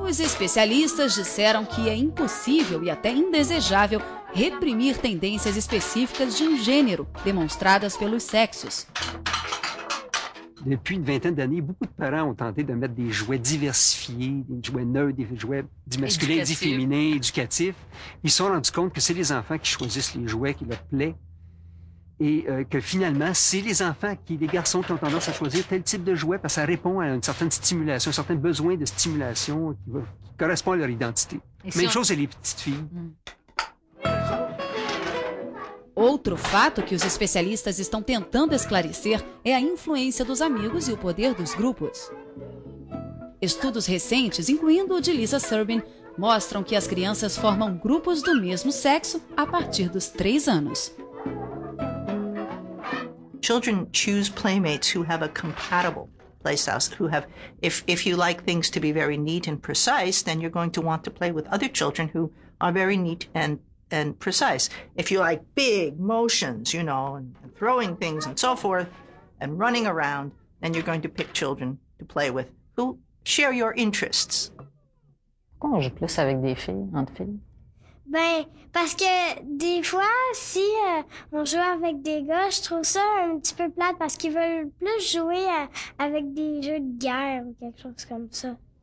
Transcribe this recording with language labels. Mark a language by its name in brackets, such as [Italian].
[Portuguese] Os especialistas disseram que é impossível e até indesejável reprimir tendências específicas de um gênero demonstradas pelos sexos. [French] Depuis une vingtaine d'années, beaucoup de parents ont tenté de mettre des jouets diversifiés, des jouets neutres, des jouets dits masculins, dits féminins, éducatifs. Ils se sont rendus compte que c'est les enfants qui choisissent les jouets qui leur plaisent. Et que finalement, c'est les enfants, les garçons qui ont tendance à choisir tel type de jouet parce que ça répond à une certaine stimulation, un certain besoin de stimulation qui correspond à leur identité. Même chose avec les petites filles. [Portuguese] Outro fato que os especialistas estão tentando esclarecer é a influência dos amigos e o poder dos grupos. Estudos recentes, incluindo o de Lisa Serbin, mostram que as crianças formam grupos do mesmo sexo a partir dos 3 anos. [English] Children choose playmates who have a compatible playstyle, who have, if you like things to be very neat and precise, then you're going to want to play with other children who are very neat and precise. If you like big motions, you know, and throwing things and so forth, and running around, then you're going to pick children to play with who share your interests. [French] Pourquoi on joue plus avec des filles, entre filles? Ben, parce que des fois, si on joue avec des gars, je trouve ça un petit peu plate parce qu'ils veulent plus jouer avec des jeux de guerre ou quelque chose comme ça.